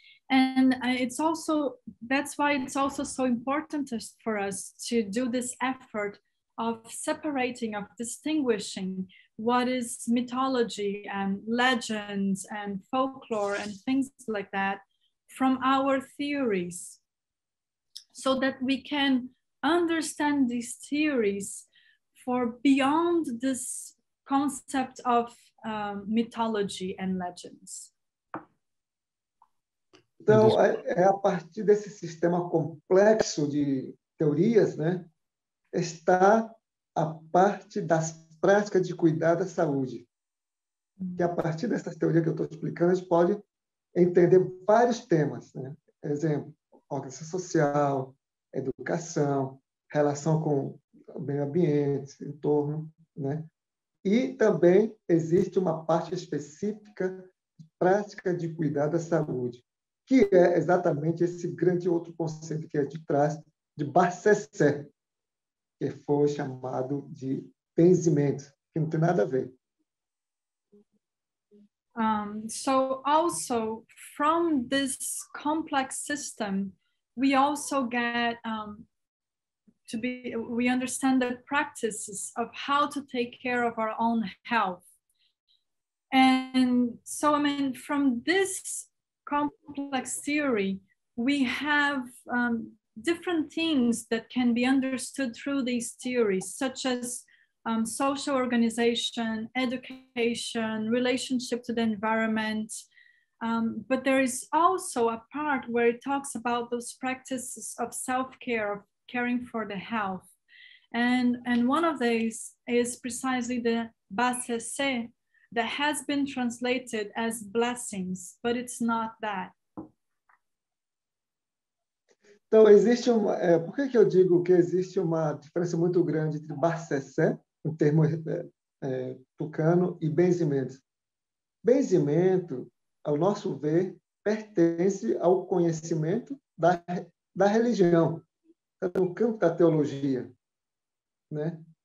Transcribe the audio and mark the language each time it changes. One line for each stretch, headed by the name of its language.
English: And it's also, that's why it's also so important for us to do this effort of separating, of distinguishing what is mythology and legends and folklore and things like that from our theories, so that we can understand these theories for beyond this concept of mythology and legends.
Portuguese: Então, é a partir desse sistema complexo de teorias, né? Está a parte das práticas de cuidar da saúde. E a partir dessa teoria que eu estou explicando, a gente pode entender vários temas. Né? Exemplo, organização social, educação, relação com o meio ambiente, entorno. Né? E também existe uma parte específica de prática de cuidar da saúde, que é exatamente esse grande outro conceito que é de trás, de Barcessé, que foi chamado de benzimento, que não tem nada a ver.
English: So also from this complex system, we also get we understand the practices of how to take care of our own health. And so, I mean, from this complex theory, we have different things that can be understood through these theories, such as social organization, education, relationship to the environment. But there is also a part where it talks about those practices of self-care, of caring for the health. And one of these is precisely the basse-se that has been translated as blessings, but it's not that.
Portuguese: Então, existe uma, por que, que eu digo que existe uma diferença muito grande entre basse-se, o termo tucano, e benzimento? Benzimento, ao nosso ver, pertence ao conhecimento da religião, no campo da teologia, né?